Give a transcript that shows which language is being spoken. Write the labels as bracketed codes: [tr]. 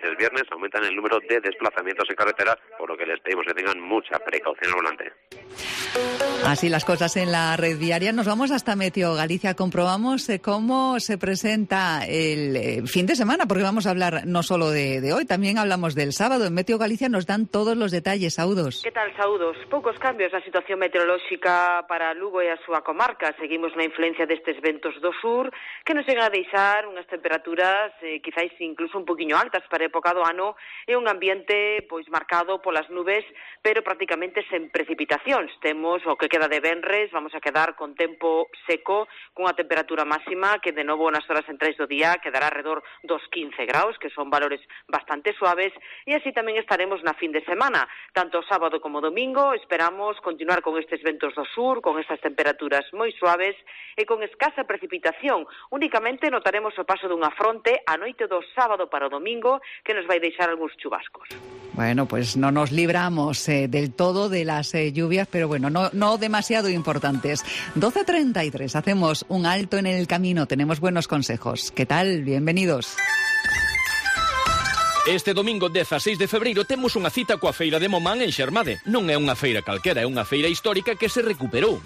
[es] El viernes aumentan el número de desplazamientos en carretera, por lo que les pedimos que tengan mucha precaución al volante. Así las cosas en la red viaria. Nos vamos hasta Meteo Galicia. Comprobamos cómo se presenta el fin de semana, porque vamos a hablar no solo de hoy, también hablamos del sábado. En Meteo Galicia nos dan todos los detalles. [gl] Saudos. [es] ¿Qué tal? Saudos. Pocos cambios. [gl] La situación meteorológica para Lugo e a súa comarca. Seguimos na influencia destes ventos do sur, que nos chegan a deixar unhas temperaturas quizáis incluso un poquinho altas para a época do ano, e un ambiente pois marcado polas nubes, pero prácticamente sen precipitación. Temos o que queda de venres, vamos a quedar con tempo seco, cunha temperatura máxima que de novo nas horas centrais do día quedará alrededor dos 15 graus, que son valores bastante suaves, e así tamén estaremos na fin de semana. Tanto sábado como domingo esperamos continuar con estes ventos do sur, con estas temperaturas moi suaves e con escasa precipitación. Únicamente notaremos o paso dunha fronte a noite do sábado para o domingo, que nos vai deixar algúns chubascos. [es] Bueno, pues no nos libramos del todo de las lluvias, pero bueno, no demasiado importantes. 12:33, hacemos un alto en el camino, tenemos buenos consejos. ¿Qué tal? Bienvenidos. [gl] Este domingo 16 de febreiro temos unha cita coa feira de Momán en Xermade. Non é unha feira calquera, é unha feira histórica que se recuperou.